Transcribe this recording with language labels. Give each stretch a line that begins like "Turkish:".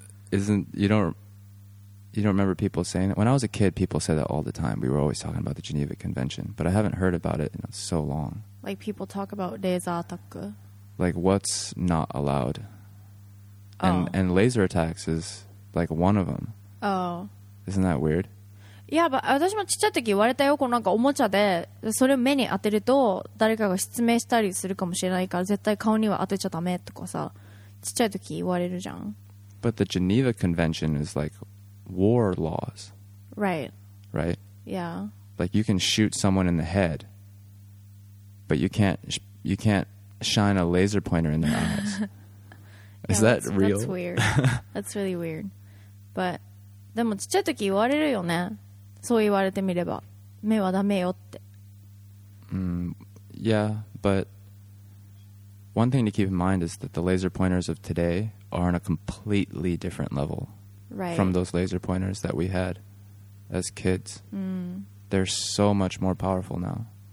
English: Isn't, you don't remember people saying that? When I was a kid, people said that all the time. We were always talking about the Geneva Convention, but I haven't heard about it in so long. Like people talk about laser attack. Like what's not allowed. And laser attacks is like one of them. Oh. Isn't that weird? Yeah, but
Japanese: 私もちっちゃい時言われたよ。このなんかおもちゃでそれを目に当てると誰かが失明したりするかもしれないから絶対顔には当てちゃダメとかさ、ちっちゃい時言われるじゃん。
English: But the Geneva Convention is like war laws. Right. Right? Yeah. Like you can shoot someone in the head, but you can't shine a laser pointer in their eyes. Is yeah, that real? That's weird. That's really weird. But,
Japanese: でもちっちゃい時言われるよね。そう言われてみれば。目はダメよって。
English: Yeah, but one thing to keep in mind is that the laser pointers of today are on a completely different level. Right. From those laser pointers that we had as kids. Mm. They're so much more powerful now.